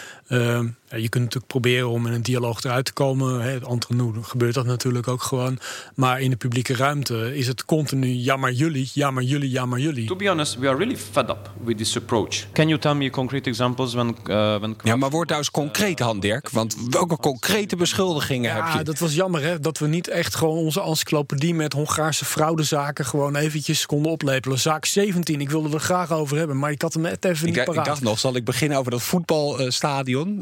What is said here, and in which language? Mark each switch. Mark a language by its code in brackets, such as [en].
[nl] Je kunt natuurlijk proberen om in een dialoog eruit te komen. Entre nous gebeurt dat natuurlijk ook gewoon. Maar in de publieke ruimte is het continu jammer jullie. [en] To be honest, we are really fed up with this approach. Can you tell me concrete examples when? [nl] Ja, maar word daar eens concreet, Han Dirk. Want welke concrete beschuldigingen heb je? Ja, dat was jammer hè, dat we niet echt gewoon onze encyclopedie met Hongaarse fraudezaken gewoon eventjes konden oplepelen. Zaak 17, ik wilde er graag over hebben, maar ik had hem net even niet paraat. Ik dacht nog, zal ik beginnen over dat voetbalstadion?